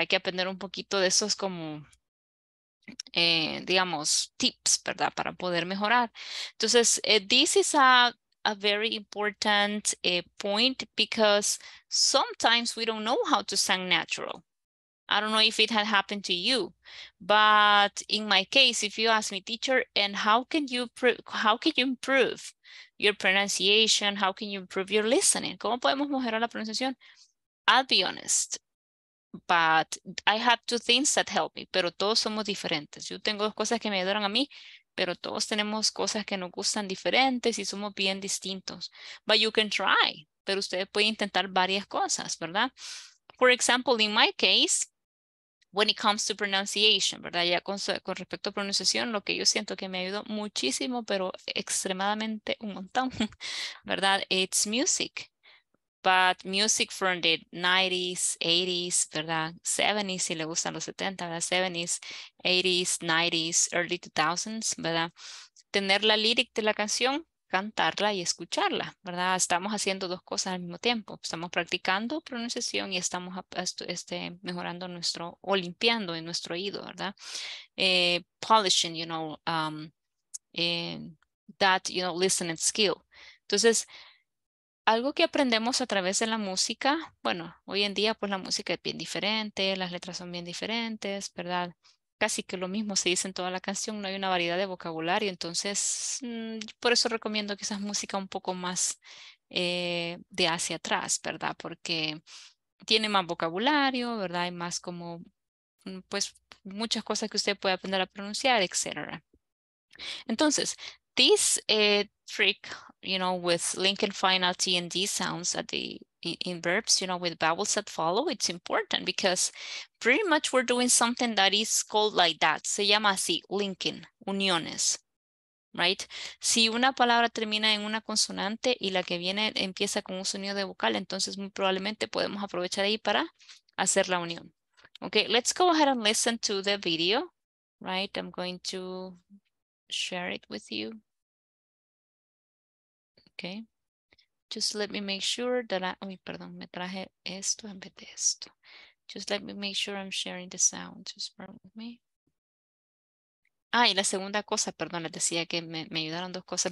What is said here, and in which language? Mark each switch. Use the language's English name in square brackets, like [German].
[Spanish] Hay que aprender un poquito de esos como, digamos, tips, ¿verdad? Para poder mejorar. Entonces, [English] this is a very important point because sometimes we don't know how to sound natural. I don't know if it had happened to you, but in my case, if you ask me, teacher, and how can you improve your pronunciation? How can you improve your listening? [Spanish] ¿Cómo podemos mejorar la pronunciación? [English] I'll be honest, but I have two things that help me, [Spanish] pero todos somos diferentes. Yo tengo dos cosas que me ayudan a mí, pero todos tenemos cosas que nos gustan diferentes y somos bien distintos. [English] But you can try, [Spanish] pero ustedes pueden intentar varias cosas, ¿verdad? [English] For example, in my case, when it comes to pronunciation, [Spanish] ¿verdad? Ya con respecto a pronunciación, lo que yo siento que me ayudó muchísimo, pero extremadamente un montón, ¿verdad? [English] It's music. But music from the 90s, 80s, [Spanish] ¿verdad? 70s, si le gustan los 70, ¿verdad? 70s, 80s, 90s, [English] early 2000s, [Spanish] ¿verdad? Tener la lyric de la canción, cantarla y escucharla, ¿verdad? Estamos haciendo dos cosas al mismo tiempo. Estamos practicando pronunciación y estamos mejorando nuestro, o limpiando en nuestro oído, ¿verdad? [English] Polishing, you know, that, you know, listening skill. [Spanish] Entonces, algo que aprendemos a través de la música, bueno, hoy en día pues la música es bien diferente, las letras son bien diferentes, ¿verdad? Casi que lo mismo se dice en toda la canción, no hay una variedad de vocabulario, entonces por eso recomiendo quizás música un poco más de hacia atrás, ¿verdad? Porque tiene más vocabulario, ¿verdad? Hay más como, pues, muchas cosas que usted puede aprender a pronunciar, etc. Entonces, [English] this trick, you know, with linking final T and D sounds at the in verbs, you know, with vowels that follow, it's important because pretty much we're doing something that is called like that. [Spanish] Se llama así, linking, uniones, [English] right? [Spanish] Si una palabra termina en una consonante y la que viene empieza con un sonido de vocal, entonces muy probablemente podemos aprovechar ahí para hacer la unión. [English] Okay, let's go ahead and listen to the video, right? I'm going to share it with you. Okay, just let me make sure that I, [Spanish] uy, perdón, me traje esto en vez de esto. [English] Just let me make sure I'm sharing the sound, just bear with me. [Spanish] Ah, y la segunda cosa, perdón, les decía que me ayudaron dos cosas.